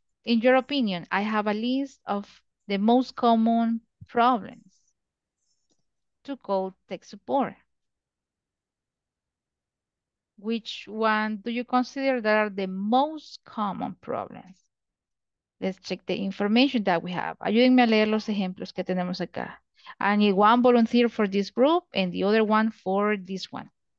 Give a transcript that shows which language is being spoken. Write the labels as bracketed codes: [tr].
[en] In your opinion, I have a list of the most common problems to call tech support. Which one do you consider that are the most common problems? Let's check the information that we have. [es] Ayúdenme a leer los ejemplos que tenemos acá. [en] I need one volunteer for this group and the other one for this one.